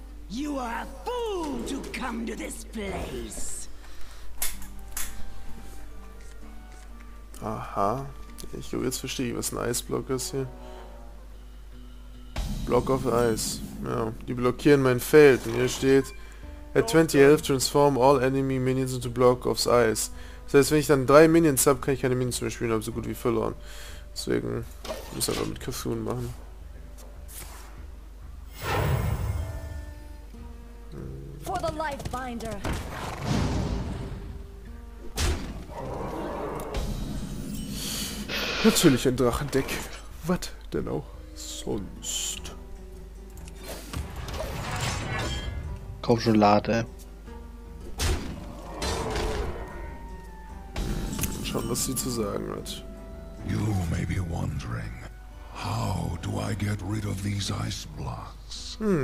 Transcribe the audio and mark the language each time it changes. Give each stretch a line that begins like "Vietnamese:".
English: You are a fool to come to this place!
German: Aha. Ich glaube, jetzt verstehe ich, was ein Eisblock ist hier. Block of Ice. Ja, die blockieren mein Feld. Und hier steht:
English: At 20 health, transform all enemy minions into block of ice.
German: Das heißt, wenn ich dann drei Minions habe, kann ich keine Minions mehr spielen, habe so gut wie verloren. Deswegen muss ich aber mit Kafun machen.
English: For the life binder.
German: Natürlich ein Drachendeck. Was denn auch sonst? Komm schon, lade. Schauen, was sie zu sagen hat.
English: You may be wondering, how do I get rid of these ice blocks?